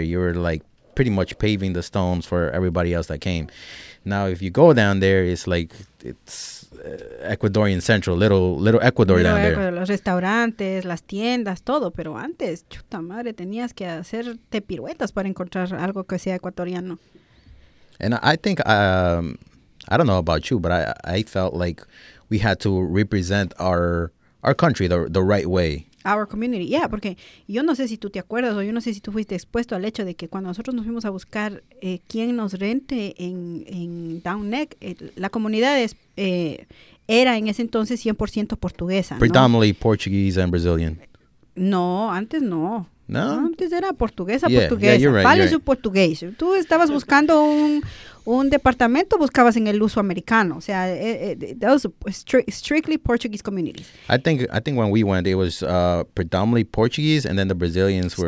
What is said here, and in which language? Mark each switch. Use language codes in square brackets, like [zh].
[en] You were like pretty much paving the stones for everybody else that came. Now, if you go down there, it's like it's Ecuadorian central, little Ecuador down there. [es] Los restaurantes, las tiendas, todo. Pero antes, chuta madre, tenías que hacerte piruetas para encontrar algo que sea ecuatoriano. [en] And I think, I don't know about you, but I felt like we had to represent our country the right way. Our community, yeah. [es] Porque yo no sé si tú te acuerdas, o yo no sé si tú fuiste expuesto al hecho de que cuando nosotros nos fuimos a buscar quién nos rente en Down Neck, la comunidad es, era en ese entonces 100% portuguesa. [en] Predominantly, [es] ¿no? [en] Portuguese and Brazilian. [es] No, antes no. No? Antes era portuguesa, yeah, portuguesa. [en] Yeah, you're right. [es] ¿Cuál es su portugués? Tú estabas buscando un departamento, buscabas en el uso americano. O sea, [en] that was strictly Portuguese communities. I think when we went, it was predominantly Portuguese, and then the Brazilians were...